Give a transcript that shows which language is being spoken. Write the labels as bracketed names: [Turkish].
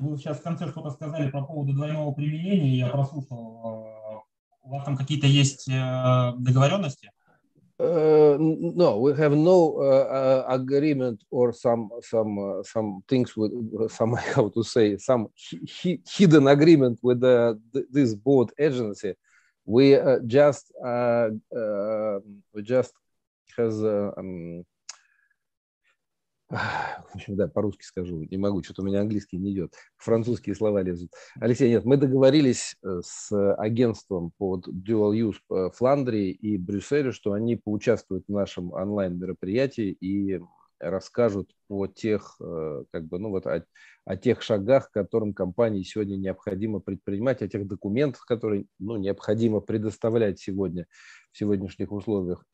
[Russian] Вы сейчас в конце что-то сказали по поводу двойного применения. Я прослушал. У вас там какие-то есть договоренности? [English] No, we have no agreement or some things with some, how to say, some hidden agreement with this board agency. We just has [Russian] в общем, да, по-русски скажу, не могу, что-то у меня английский не идет, французские слова лезут. Алексей, нет, мы договорились с агентством под Dual Use Фландрии и Брюсселю, что они поучаствуют в нашем онлайн-мероприятии и расскажут о тех, как бы, ну вот, о тех шагах, которым компании сегодня необходимо предпринимать, о тех документах, которые, ну, необходимо предоставлять сегодня в сегодняшних условиях.